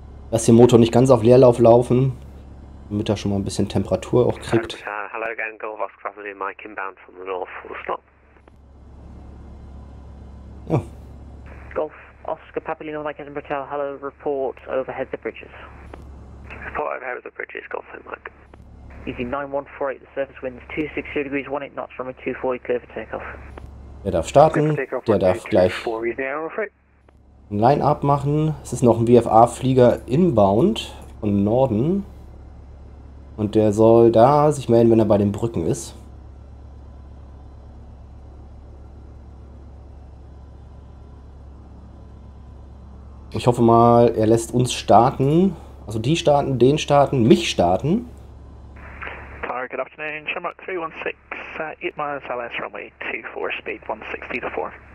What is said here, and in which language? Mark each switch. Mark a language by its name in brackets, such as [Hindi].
[German] Lass den Motor nicht ganz auf Leerlauf laufen, damit er schon mal ein bisschen Temperatur auch kriegt. [English] Hallo again, Golf Oscar Avenue, Mike inbound from the north, full stop. [German] Ja. [English] Golf Oscar Papalino, Mike Edinburgh Tower, hello, report overhead the bridges. Report overhead the bridges, Golf Mike. Easy 9148, the surface winds 260 degrees, 18 knots, runway 240, clear for takeoff. [German] Der darf starten, der darf gleich ein Line-Up machen. Es ist noch ein VFA-Flieger inbound von Norden. Und der soll da sich melden, wenn er bei den Brücken ist. Ich hoffe mal, er lässt uns starten. Also die starten, den starten, mich starten. [English] Good afternoon, Shamrock 316, 8 miles LS, runway 24, speed 160 to 4.